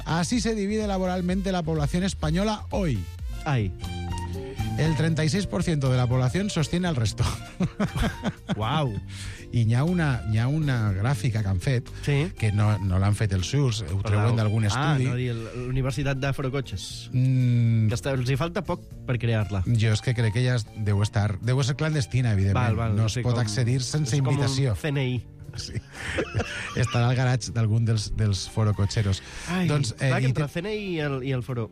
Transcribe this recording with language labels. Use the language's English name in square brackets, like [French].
[Spanish] Así se divide laboralmente la población española hoy. Ay. El 36% de la población sostiene al resto. Uau. [Catalan] I hi ha una gràfica que han fet, sí. Que no l'han fet els SURS, ho treuen d'algun estudi. Ah, no, l'Universitat de Forocotxes. Que els hi falta poc per crear-la. Jo és que crec que ja deu ser clandestina, evidentment. Val, no es pot accedir sense invitació. És com un CNI. Sí. Estarà al garatge d'algun dels forocotxeros. Ai, doncs, clar, entre el CNI i el foro...